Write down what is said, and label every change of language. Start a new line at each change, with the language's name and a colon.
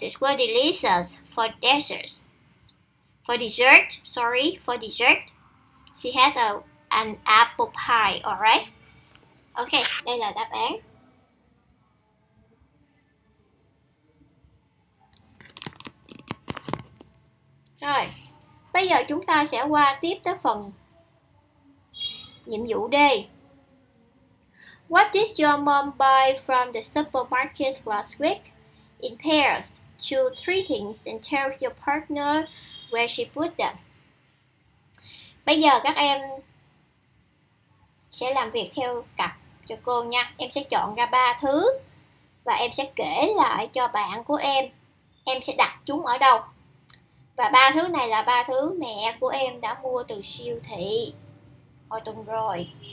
English: It was delicious for dessert. For dessert, she had an apple pie, alright?
Vietnamese: Ok, đây là đáp án. Rồi, bây giờ chúng ta sẽ qua tiếp tới phần nhiệm vụ D.
English: What did your mom buy from the supermarket last week? In pairs, choose three things and tell your partner where she put them.
Vietnamese: Bây giờ các em sẽ làm việc theo cặp cho cô nha. Em sẽ chọn ra ba thứ và em sẽ kể lại cho bạn của em. Em sẽ đặt chúng ở đâu. Và ba thứ này là ba thứ mẹ của em đã mua từ siêu thị hồi tuần rồi.